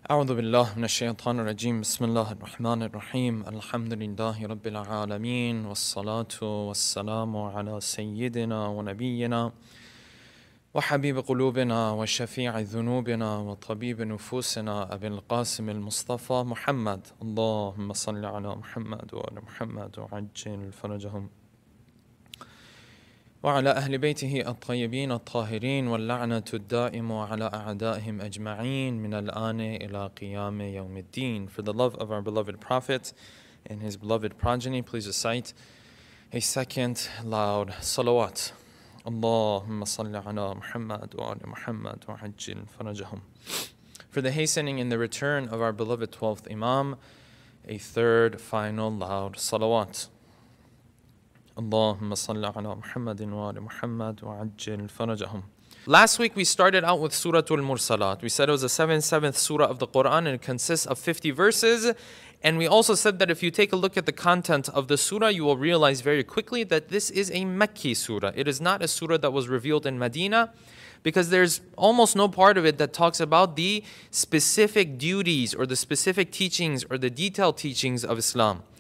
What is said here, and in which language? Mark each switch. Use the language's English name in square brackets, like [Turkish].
[Arabic] أعوذ بالله من الشيطان الرجيم بسم الله الرحمن الرحيم الحمد لله رب العالمين والصلاة والسلام على سيدنا ونبينا وحبيب قلوبنا وشفيع ذنوبنا وطبيب نفوسنا أبي القاسم المصطفى محمد اللهم صل على محمد وعلى محمد وعجل فرجهم وعلى أهل بيته الطيبين الطاهرين واللعنة الدائمة على أعدائهم أجمعين من الآن إلى قيام يوم الدين. [English] For the love of our beloved Prophet and his beloved progeny, please recite a second loud salawat. [Arabic] اللهم صل على محمد وعلى محمد وعجل فرجهم. [English] For the hastening and the return of our beloved 12th Imam, a third final loud salawat. [Arabic] اللهم صل على محمد وآل محمد وعجل فرجهم. [English] Last week we started out with Surah Al-Mursalat. We said it was the 77th surah of the Quran and it consists of 50 verses. And we also said that if you take a look at the content of the surah, you will realize very quickly that this is a Makki surah. It is not a surah that was revealed in Medina, because there's almost no part of it that talks about the specific duties or the specific teachings or the detailed teachings of Islam.